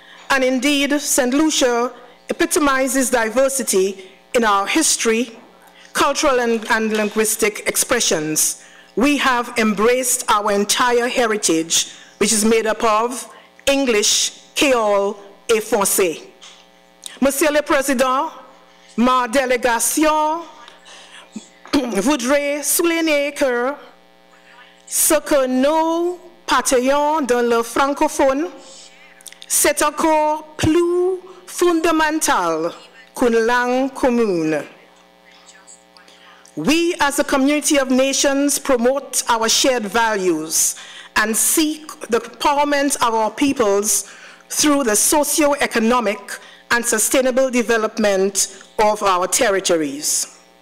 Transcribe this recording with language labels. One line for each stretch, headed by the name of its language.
English: And indeed, St. Lucia epitomizes diversity in our history, cultural and linguistic expressions. We have embraced our entire heritage, which is made up of English, Creole,
French: et Français. Monsieur le Président, ma délégation voudrait souligner que ce que nous partageons dans le francophone, c'est encore plus fondamental qu'une langue commune.
English: We, as a community of nations, promote our shared values and seek the empowerment of our peoples through the socio-economic and sustainable development of our territories.